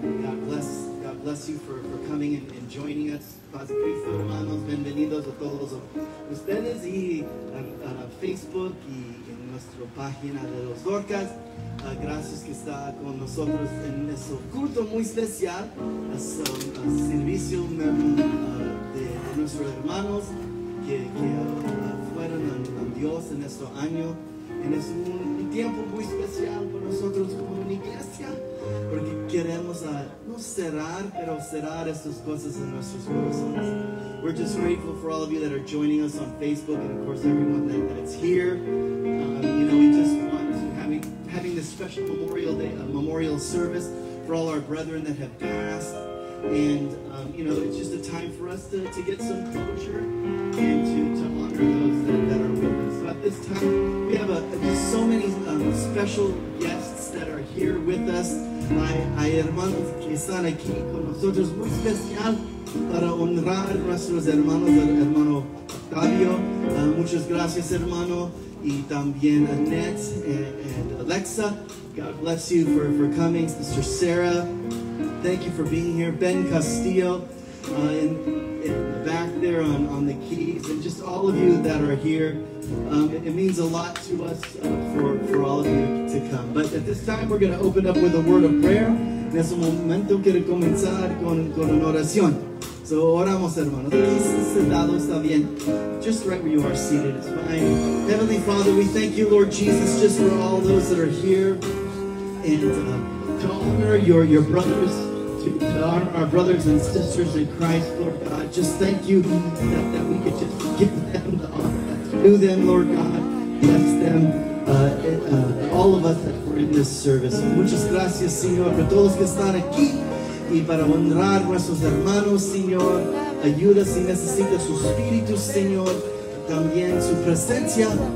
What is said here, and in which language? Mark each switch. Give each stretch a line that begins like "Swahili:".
English: God bless you for coming and joining us.
Spanish: Paz Cristo, hermanos, bienvenidos a todos ustedes y a Facebook y en nuestra página de los Dorcas. Gracias que está con nosotros en este culto muy especial, el servicio de nuestros hermanos que fueron a Dios en este año. En es un tiempo muy especial para nosotros como una iglesia, porque queremos no cerrar, pero cerrar estas cosas en nuestros corazones.
English: We're just grateful for all of you that are joining us on Facebook, and of course everyone that's here. We just want to having this special Memorial Day, a memorial service for all our brethren that have passed. And it's just a time for us to get some closure and to honor those that are with us. So at this time, we have so many special guests that are here with us.
Spanish: Hay hermanos que están aquí con nosotros, muy especial para honrar a nuestros hermanos, el hermano Octavio. Muchas gracias, hermano. Y también Annette and Alexa.
English: God bless you for coming. Sister Sarah, thank you for being here. Ben Castillo in the back there on the keys. And just all of you that are here. It means a lot to us for all of you to come. But at this time, we're going to open up with a word of prayer.
Spanish: En ese momento quiero comenzar con una oración. So oramos, hermanos. Sentado está bien.
English: Just right where you are seated is fine. Heavenly Father, we thank you, Lord Jesus, just for all those that are here. And to honor your brothers, to honor our brothers and sisters in Christ, Lord God. Just thank you that we could just give them the honor. To them, Lord God, bless them, all of us that were in this service.
Spanish: Muchas gracias, Señor, por todos que están aquí. Y para honrar nuestros hermanos, Señor, ayuda si necesita su espíritu, Señor, también su presencia.